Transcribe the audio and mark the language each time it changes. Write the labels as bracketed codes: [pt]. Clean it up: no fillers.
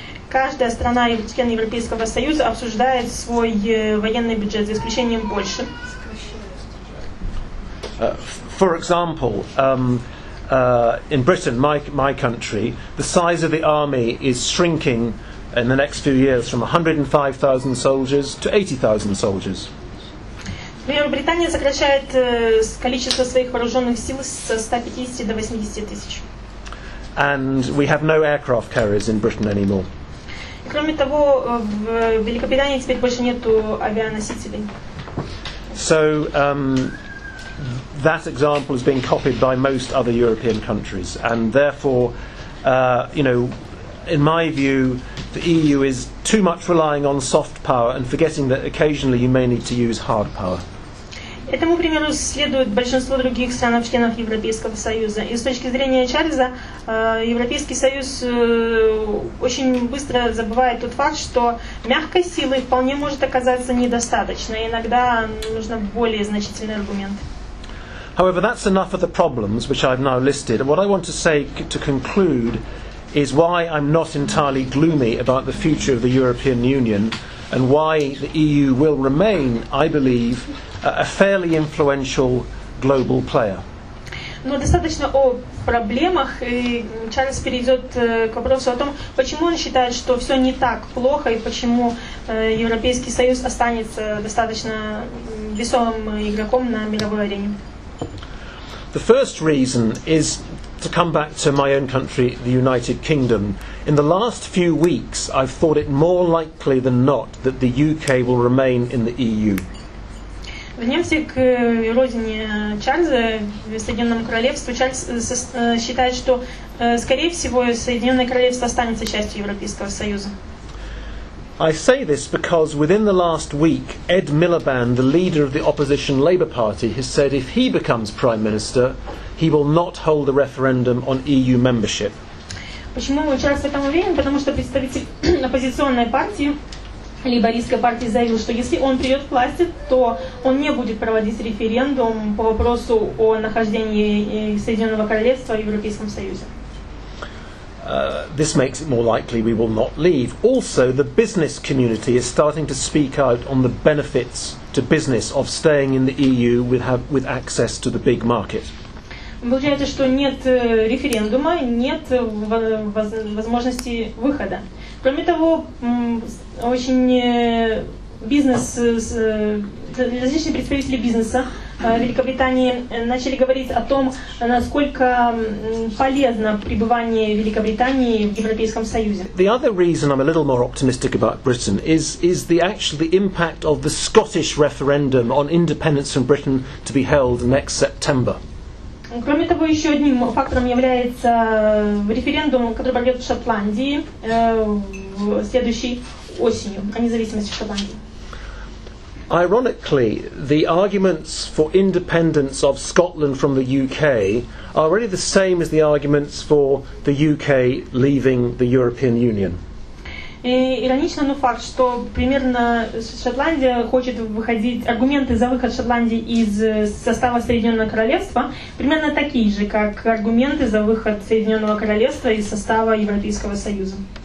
[ru] Каждая страна и член Европейского Союза обсуждает свой военный бюджет, за исключением Польши. [en] For example, in Britain, my country, the size of the army is shrinking in the next few years from 105,000 soldiers to 80,000 soldiers. [ru] Например, Британия сокращает количество своих вооруженных сил со 150 до 80 тысяч. [en] And we have no aircraft carriers in Britain anymore. [ru] Кроме того, в Великобритании теперь больше нету авианосителей. [en] So, that example is being copied by most other European countries, and therefore, you know, in my view, the EU is too much relying on soft power and forgetting that occasionally you may need to use hard power. [ru] Этому примеру следует большинство других стран-членов Европейского Союза. И с точки зрения Чарльза, Европейский Союз очень быстро забывает тот факт, что мягкой силы вполне может оказаться недостаточно. Иногда нужен более значительный аргумент. [en] However, that's enough of the problems which I've now listed. What I want to say to conclude is why I'm not entirely gloomy about the future of the European Union and why the EU will remain, I believe, a fairly influential global player. [ru] Но достаточно о проблемах, и Чарльз перейдет к вопросу о том, почему он считает, что все не так плохо, и почему Европейский Союз останется достаточно весомым игроком на мировой арене. [en] The first reason is to come back to my own country, the United Kingdom. In the last few weeks, I've thought it more likely than not that the UK will remain in the EU. [ru] Вернемся к родине Чарльза в Соединенном Королевстве. Чарльз считает, что, скорее всего, Соединенное Королевство останется частью Европейского Союза. [en] I say this because within the last week, Ed Miliband, the leader of the opposition Labour Party, has said if he becomes Prime Minister, he will not hold a referendum on EU membership. [ru] Почему мы часто там уверены? Потому что представитель оппозиционной партии, лейбористской партии, заявил, что если он придет к власти, то он не будет проводить референдум по вопросу о нахождении Соединенного Королевства в Европейском Союзе. [en] This makes it more likely we will not leave. Also, the business community is starting to speak out on the benefits to business of staying in the EU with access to the big market. [ru] Получается, что нет референдума, нет возможности выхода. Кроме того, очень бизнес, различные представители бизнеса Великобритании начали говорить о том, насколько полезно пребывание Великобритании в Европейском Союзе. [en] The other reason I'm a little more optimistic about Britain is the actual the impact of the Scottish referendum on independence from Britain to be held next September. [ru] Кроме того, еще одним фактором является референдум, который пройдет в Шотландии в следующей осенью о независимости Шотландии. [en] Ironically, the arguments for independence of Scotland from the UK are really the same as the arguments for the UK leaving the European Union. [ru] Иронично, но факт, что примерно Шотландия хочет выходить, аргументы за выход Шотландии из состава Соединенного Королевства примерно такие же, как аргументы за выход Соединенного Королевства из состава Европейского Союза.